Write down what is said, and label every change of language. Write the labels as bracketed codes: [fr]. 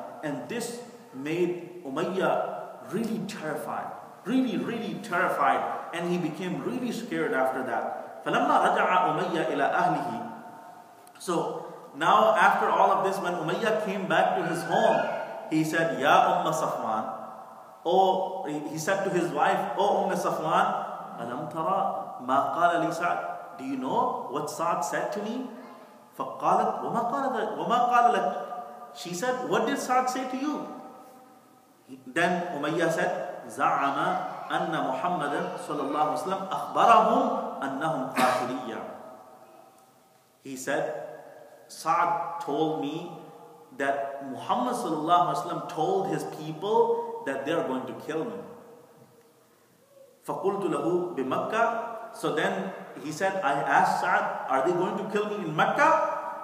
[en] And this made Umayyah really terrified. Really, really terrified. And he became really scared after that. [ar] فَلَمَّا رَجَعَ أُمَيَّةَ إِلَىٰ أَهْلِهِ. [en] So now after all of this, when Umayyah came back to his home, he said, يَا أُمَّ صَفْوَان. Oh, he said to his wife, O [ar] أُمَّ صَفْوَان, أَلَمْ تَرَى مَا قَالَ لِي سَعْد. [en] Do you know what Sa'd said to me? [ar] فَقَالَتْ وَمَا قَالَ لَكْ. [en] She said, what did Sa'd say to you? Then Umayyah said, [ar] زَعَمَا أَنَّ مُحَمَّدًا صَلَى اللَّهُ وَسَلَمْ أَخْبَرَهُمْ أَنَّهُمْ قَاتِلِيًّا. [en] He said, Sa'd told me that Muhammad [ar] صلى الله عليه وسلم [en] told his people that they are going to kill me. [ar] فَقُلْتُ لَهُ بِمَكَّةِ. [en] So then he said, I asked Sa'd, are they going to kill me in Mecca?